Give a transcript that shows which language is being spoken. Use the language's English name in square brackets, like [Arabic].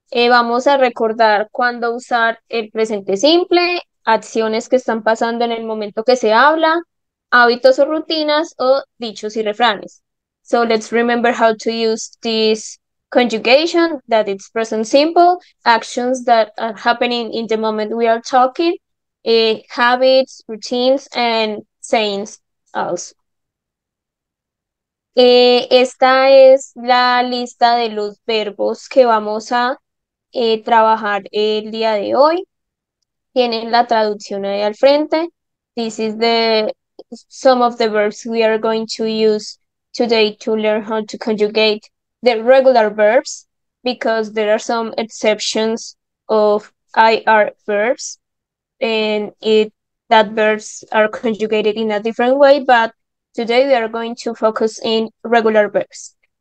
[Spanish] Vamos a recordar cuándo usar el presente simple, acciones que están pasando en el momento que se habla, hábitos o rutinas, o dichos y refranes. [English] So let's remember how to use this conjugation, that it's present simple, actions that are happening in the moment we are talking, habits, routines, and sayings also. [Spanish] Esta es la lista de los verbos que vamos a trabajar el día de hoy. Tienen la traducción ahí al frente. [English] This is the some of the verbs we are going to use today to learn how to conjugate the regular verbs, because there are some exceptions of IR verbs, and that verbs are conjugated in a different way, but today we are going to focus in regular verbs.